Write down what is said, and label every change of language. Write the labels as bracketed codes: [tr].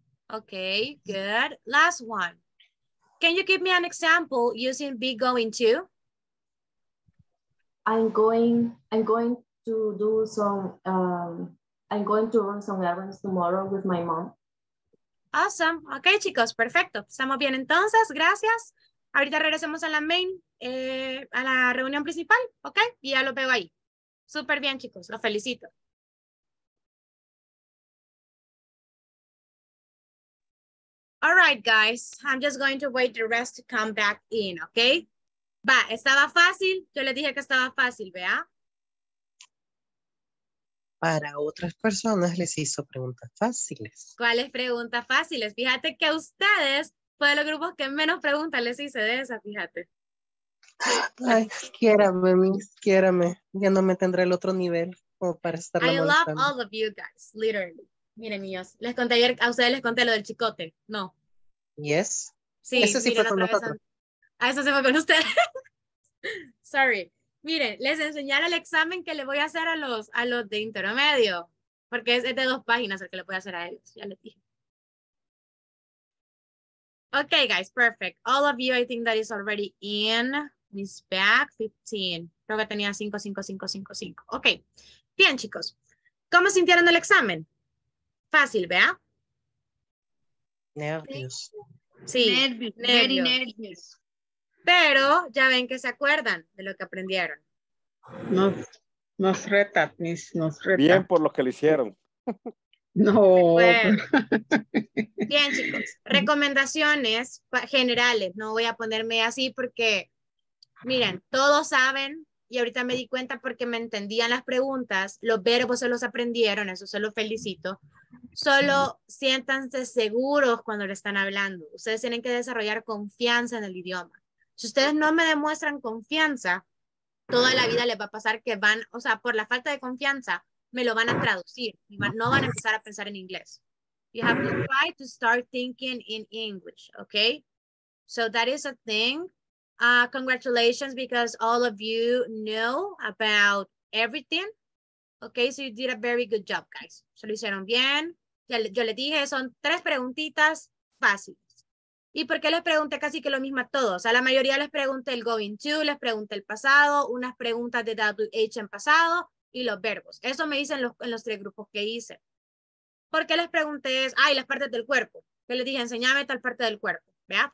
[en] Okay, good. Last one. Can you give me an example using be going to? I'm going to do some I'm going to run some errands tomorrow with my mom. [es] Awesome. Okay, chicos, perfecto. Estamos bien entonces. Gracias. Ahorita regresemos a la main, a la reunión principal, ¿ok? Y ya los veo ahí. Súper bien, chicos. Los felicito. [en] All right, guys. I'm just going to wait the rest to come back in, ¿ok? [es] Va, estaba fácil. Yo les dije que estaba fácil, ¿vea? Para otras personas les hizo preguntas fáciles. ¿Cuáles preguntas fáciles? Fíjate que a ustedes fue de los grupos que menos preguntas les hice de esas, fíjate. Ay, quiérame, mis, quiérame. Ya no me tendré el otro nivel como para estar [en] molestando. I love all of you guys, literally. [es] Miren, niños, les conté ayer, a ustedes les conté lo del chicote, ¿no? [en] Yes. [es] Sí, ese sí fue con nosotros. A eso se fue con ustedes. Sorry. Miren, les enseñaré el examen que le voy a hacer a los de intermedio, porque es de dos páginas el que le voy a hacer a ellos, ya les dije. [en] Okay, guys, perfect. All of you, I think that is already in. [es] Miss Back, 15. Creo que tenía 5, 5, 5, 5, 5. Okay. Bien, chicos. ¿Cómo sintieron el examen? Fácil, ¿vea? Nervios. Sí, nervios. Nervios. Pero ya ven que se acuerdan de lo que aprendieron. Nos reta, Miss, nos reta. Bien por lo que lo hicieron. No. Bueno. Bien, chicos. Recomendaciones generales. No voy a ponerme así porque, miren, todos saben, y ahorita me di cuenta porque me entendían las preguntas, los verbos se los aprendieron, eso se los felicito. Solo siéntanse seguros cuando le están hablando. Ustedes tienen que desarrollar confianza en el idioma. Si ustedes no me demuestran confianza, toda la vida les va a pasar que van, o sea, por la falta de confianza, me lo van a traducir, no van a empezar a pensar en inglés. [en] You have to try to start thinking in English, okay? So that is a thing. Congratulations, because all of you know about everything. Okay, so you did a very good job, guys. [es] Se lo hicieron bien. Yo les dije, son tres preguntitas fáciles. ¿Y por qué les pregunté casi que lo mismo a todos? A la mayoría les pregunté el going to, les pregunté el pasado, unas preguntas de WH en pasado. Y los verbos. Eso me dicen en los tres grupos que hice. ¿Por qué les pregunté? Ay, las partes del cuerpo. Que les dije, enséñame tal parte del cuerpo. ¿Vea?